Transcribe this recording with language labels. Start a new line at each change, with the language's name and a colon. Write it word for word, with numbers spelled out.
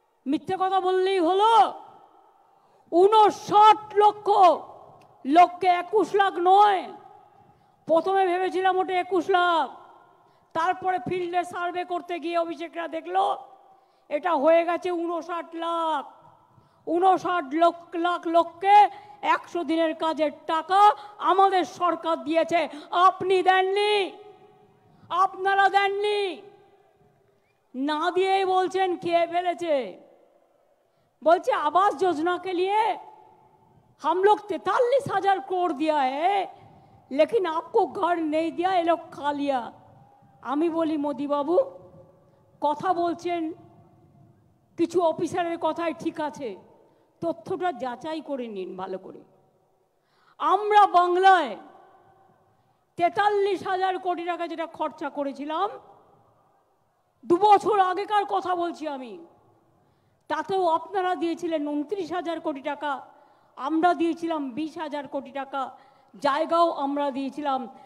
Bangla: মিথ্যে কথা বললেই হলো? উনষাট লক্ষ লোককে একুশ লাখ নয়, প্রথমে ভেবেছিলাম ওটা একুশ লাখ, তারপরে ফিল্ডে সার্ভে করতে গিয়ে অভিষেকরা দেখলো এটা হয়ে গেছে উনষাট লাখ উনষাট লক্ষ লাখ লোককে একশো দিনের কাজের টাকা আমাদের সরকার দিয়েছে। আপনি দেননি, আপনারা দেননি, না দিয়েই বলছেন খেয়ে ফেলেছে। বলছে
Hindi: आवास योजना के लिए हम लोग तैतालीस हजार करोड़ दिया है, लेकिन आपको घर नहीं दिया, ये लोग खा लिया।
Bangla: আমি বলি মোদি বাবু কথা বলছেন, কিছু অফিসারের কথাই ঠিক আছে, তথ্যটা যাচাই করে নিন ভালো করে। আমরা বাংলায় তেতাল্লিশ হাজার কোটি টাকা যেটা খরচা করেছিলাম দু বছর আগেকার কথা বলছি আমি, তাতেও আপনারা দিয়েছিলেন উনত্রিশ হাজার কোটি টাকা, আমরা দিয়েছিলাম বিশ হাজার কোটি টাকা, জায়গাও আমরা দিয়েছিলাম।